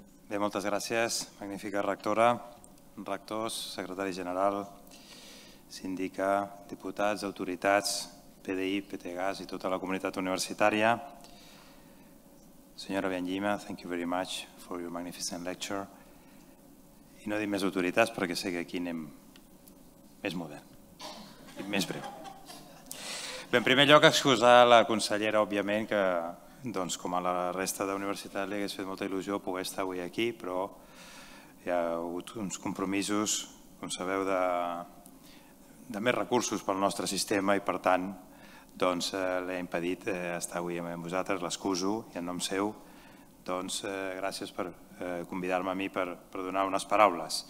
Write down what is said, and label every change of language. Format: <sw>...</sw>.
<ca>Bé, moltes gràcies, magnífica rectora, rectors, secretari general, síndica, diputats, autoritats, PDI, PTGAS i tota la comunitat universitària.</ca> <en>Senyora Byanyima, thank you very much for your magnificent lecture.</en> <ca>I no dic més autoritats perquè sé que aquí anem més modern i més breu. Bé, en primer lloc, excusar la consellera, òbviament, que doncs, com a la resta d'universitat li hagués fet molta il·lusió poder estar avui aquí, però hi ha hagut uns compromisos, com sabeu, de més recursos pel nostre sistema i, per tant, doncs, l'he impedit estar avui amb vosaltres, l'excuso, i en nom seu, doncs, gràcies per convidar-me a mi per donar unes paraules.</ca>